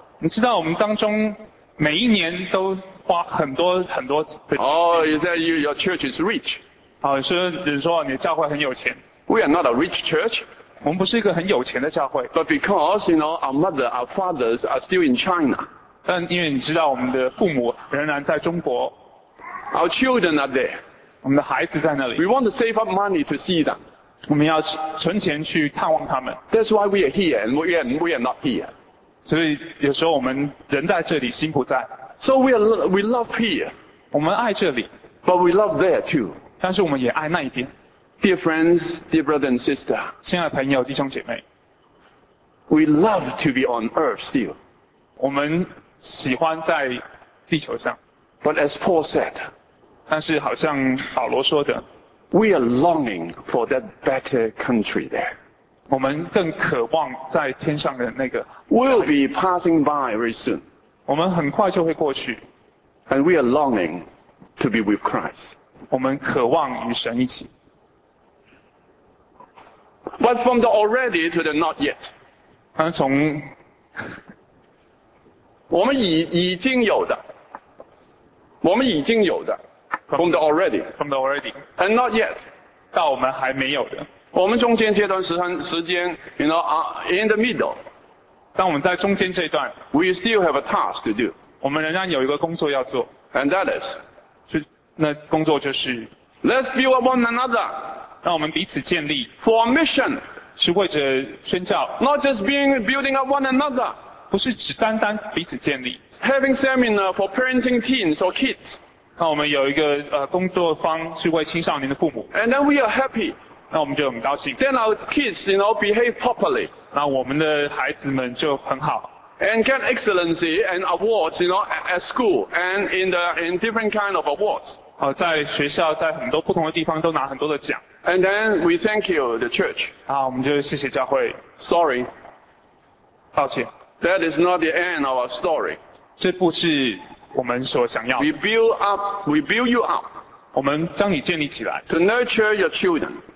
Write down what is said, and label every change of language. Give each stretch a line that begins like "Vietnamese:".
Chinese: 你知道我们当中每一年都花很多很多的钱。
English: Oh, you say your church is rich.
Chinese: 所以你说你的教会很有钱。
English: We are not a rich church.
Chinese: 我们不是一个很有钱的教会。
English: But because, you know, our mother, our fathers are still in China.
Chinese: 但因为你知道我们的父母仍然在中国。
English: Our children are there.
Chinese: 我们的孩子在那里。
English: We want to save up money to see them.
Chinese: 我们要存钱去探望他们。
English: That's why we are here and we are not here.
Chinese: 所以有时候我们人在这里心不在。
English: So we love here.
Chinese: 我们爱这里。
English: But we love there too.
Chinese: 但是我们也爱那一边。
English: Dear friends, dear brother and sister,
Chinese: 亲爱的朋友弟兄姐妹
English: we love to be on earth still.
Chinese: 我们喜欢在地球上
English: But as Paul said,
Chinese: 但是好像保罗说的
English: we are longing for that better country there.
Chinese: 我们更渴望在天上的那个
English: We'll be passing by very soon.
Chinese: 我们很快就会过去
English: And we are longing to be with Christ.
Chinese: 我们渴望与神一起
English: But from the already to the not yet.
Chinese: 从我们已经有的我们已经有的
English: from the already. And not yet.
Chinese: 到我们还没有的。我们中间这段时间
English: you know, in the middle.
Chinese: 但我们在中间这段
English: we still have a task to do.
Chinese: 我们仍然有一个工作要做。
English: And that is,
Chinese: 那工作就是
English: let's build up one another.
Chinese: 让我们彼此建立
English: for a mission
Chinese: 是为着宣教
English: not just being building up one another
Chinese: 不是只单单彼此建立
English: having seminar for parenting teens or kids
Chinese: 那我们有一个工作方是为青少年的父母
English: and then we are happy
Chinese: 那我们就很高兴
English: then our kids you know behave properly
Chinese: 那我们的孩子们就很好
English: and get excellency and awards you know at school and in different kind of awards
Chinese: 在学校在很多不同的地方都拿很多的奖
English: And then we thank you the church
Chinese: 好我们就谢谢教会
English: Sorry
Chinese: 抱歉
English: That is not the end of our story
Chinese: 这不是我们所想要的
English: We build you up
Chinese: 我们将你建立起来
English: To nurture your children